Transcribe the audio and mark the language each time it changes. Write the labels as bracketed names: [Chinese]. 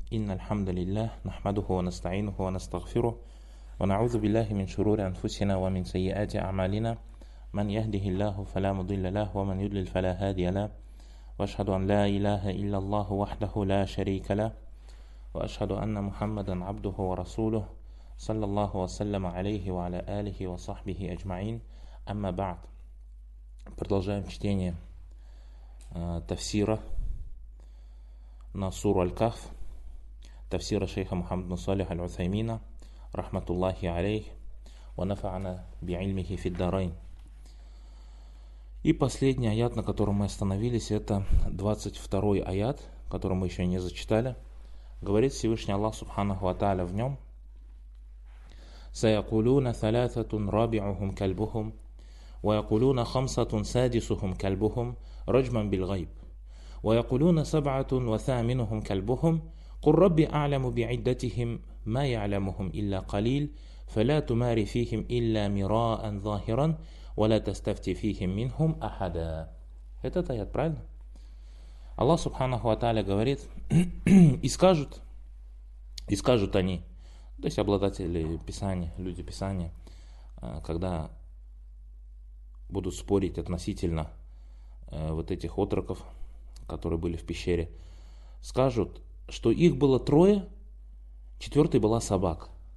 [Arabic] إن الحمد لله نحمده ونستعينه ونستغفره ونعوذ بالله من شرور أنفسنا ومن سيئات أعمالنا. من يهده الله فلا مضل له، ومن يضلل فلا هادي له. وأشهد أن لا إله إلا الله وحده لا شريك له، وأشهد أن محمدا عبده ورسوله، صلى الله وسلم عليه وعلى آله وصحبه أجمعين. أما بعد، [Russian] продолжаем чтение [Arabic] تفسيره [Russian] на суру Аль-Кахф, тафсира шейха Мухаммад бин Салих Аль-Усаймина, рахматуллахи алейх, [Arabic] ва нафа'ана би'ильмихи фид-дарайн. [Russian] И последний аят, на котором мы остановились, это 22-й аят, который мы еще не зачитали. Говорит Всевышний Аллах Субханаху ва Та'аля в нем: [Arabic] «Саякулуна саляфатун раби'ухум кальбухум, ваякулуна хамсатун садисухум кальбухум, раджман бил-гайб». ويقولون سبعة وثامنهم كلبهم قل ربي أعلم بعدتهم ما يعلمهم إلا قليل فلا تماري فيهم إلا مراء ظاهرا ولا تستفتي فيهم منهم أحدا. [Russian] Этот аят правильно? Аллах Субханаху ва Тааля говорит, и скажут они, то есть обладатели Писания, люди Писания, когда будут спорить относительно вот этих отроков, которые были в пещере, скажут, что их было трое, четвертый была собак.